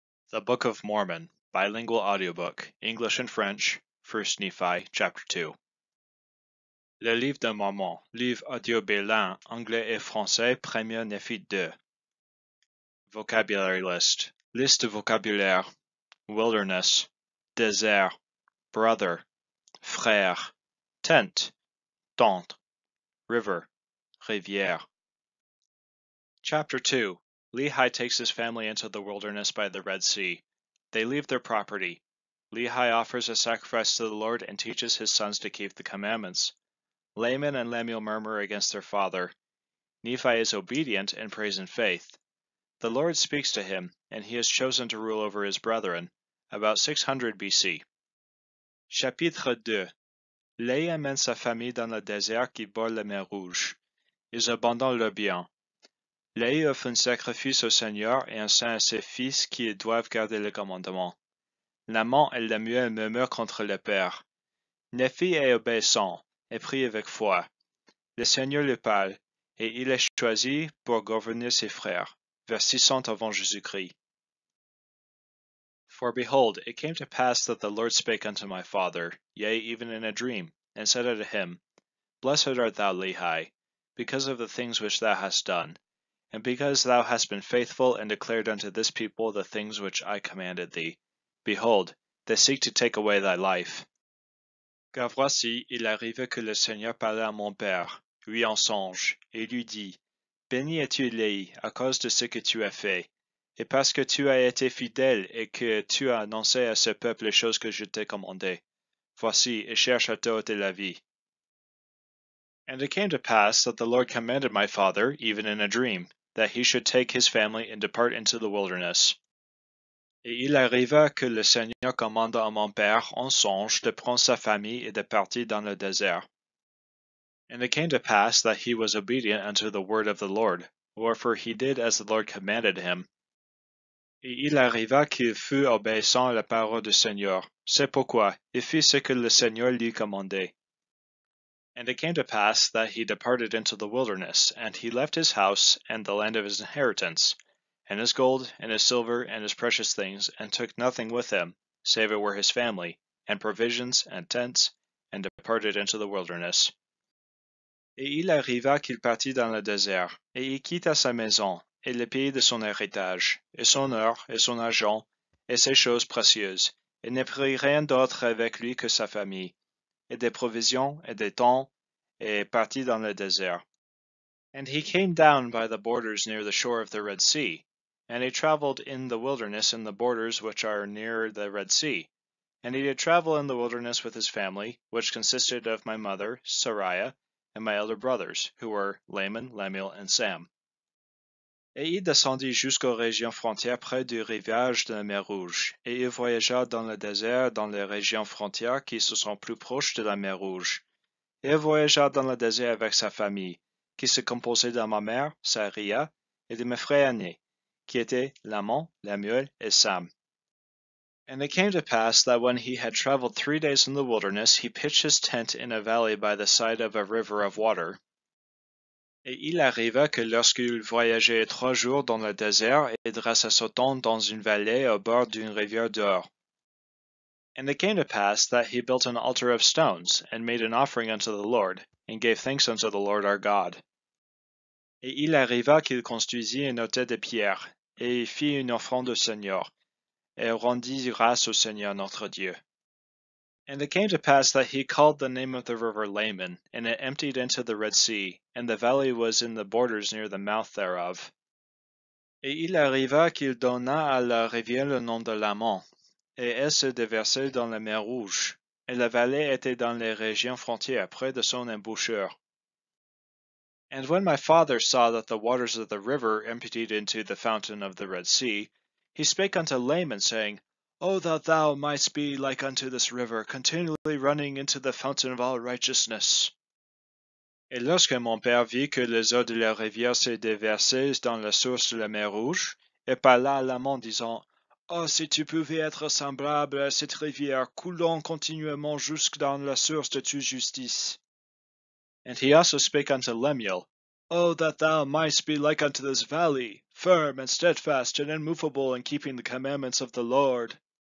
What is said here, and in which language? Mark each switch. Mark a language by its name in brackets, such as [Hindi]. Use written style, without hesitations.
[English] The Book of Mormon, Bilingual Audiobook, English and French, 1 Nephi, Chapter 2. [French] Le Livre de Mormon, Livre Audio Bilingue, Anglais et Français, 1 Néphi 2. [English] Vocabulary List. [French] Liste de vocabulaire. [English] Wilderness. Désert. Brother. Frère. Tent. Tente. River. Rivière. Chapter 2. Lehi takes his family into the wilderness by the Red Sea. They leave their property. Lehi offers a sacrifice to the Lord and teaches his sons to keep the commandments. Laman and Lemuel murmur against their father. Nephi is obedient and prays in faith. The Lord speaks to him, and he is chosen to rule over his brethren, about 600 BC. [French] Chapitre 2. Lehi amène sa famille dans le désert qui borde la mer Rouge. Ils abandonnent leur bien. Lehi offre un sacrifice au Seigneur et enseigne à ses fils qu'ils doivent garder le commandement. Laman et Lemuel murmurent contre le père. Néphi est obéissant et prie avec foi. Le Seigneur lui parle et il est choisi pour gouverner ses frères. Vers 600 avant Jésus-Christ. [English] For behold, it came to pass that the Lord spake unto my father, yea, even in a dream, and said unto him, Blessed art thou, Lehi, because of the things which thou hast done. And because thou hast been faithful and declared unto this people the things which I commanded thee, behold, they seek to take away thy life. [French] Car voici, il arriva que le Seigneur parla à mon père, lui en songe, et lui dit, Béni es-tu, Lehi, à cause de ce que tu as fait, et parce que tu as été fidèle et que tu as annoncé à ce peuple les choses que je t'ai commandées. Voici, et cherche à te ôter la vie. [English] And it came to pass that the Lord commanded my father, even in a dream, that he should take his family and depart into the wilderness. [French] Et il arriva que le Seigneur commanda à mon père en songe de prendre sa famille et de partir dans le désert. [English] And it came to pass that he was obedient unto the word of the Lord, wherefore he did as the Lord commanded him. [French] Et il arriva qu'il fut obéissant à la parole du Seigneur. C'est pourquoi il fit ce que le Seigneur lui commandait. [English] And it came to pass that he departed into the wilderness, and he left his house, and the land of his inheritance, and his gold, and his silver, and his precious things, and took nothing with him, save it were his family, and provisions, and tents, and departed into the wilderness. [French] Et il arriva qu'il partit dans le désert, et il quitta sa maison, et le pays de son héritage, et son or, et son argent, et ses choses précieuses, et ne prit rien d'autre avec lui que sa famille. Et des provisions, et des temps, et parti dans le désert. [English] And he came down by the borders near the shore of the Red Sea, and he traveled in the wilderness in the borders which are near the Red Sea. And he did travel in the wilderness with his family, which consisted of my mother, Sariah, and my elder brothers, who were Laman, Lemuel, and Sam. [French] Et il descendit jusqu'aux régions frontières près du rivage de la mer Rouge, et il voyagea dans le désert dans les régions frontières qui se sont plus proches de la mer Rouge. Et il voyagea dans le désert avec sa famille, qui se composait de ma mère, Sariah, et de mes frères aînés, qui étaient Laman, Lemuel et Sam. [English] And it came to pass that when he had traveled 3 days in the wilderness, he pitched his tent in a valley by the side of a river of water. [French] Et il arriva que lorsqu'il voyageait 3 jours dans le désert, il dressa son tente dans une vallée au bord d'une rivière d'or. [English] And it came to pass that he built an altar of stones, and made an offering unto the Lord, and gave thanks unto the Lord our God. [French] Et il arriva qu'il construisit un autel de pierre, et fit une offrande au Seigneur, et rendit grâce au Seigneur notre Dieu. [English] And it came to pass that he called the name of the river Laman, and it emptied into the Red Sea, and the valley was in the borders near the mouth thereof. [French] Et il arriva qu'il donna à la rivière le nom de Laman, et elle se déversait dans la mer Rouge, et la vallée était dans les régions frontières près de son embouchure. [English] And when my father saw that the waters of the river emptied into the fountain of the Red Sea, he spake unto Laman, saying, O that thou mightst be like unto this river, continually running into the fountain of all righteousness. [French] Et lorsque mon père vit que les eaux de la rivière se déversaient dans la source de la mer Rouge, il parla à Laman, disant, Oh, si tu pouvais être semblable à cette rivière, coulant continuellement jusque dans la source de ta justice. [English] And he also spake unto Lemuel, O that thou mightest be like unto this valley, firm and steadfast and immovable in keeping the commandments of the Lord.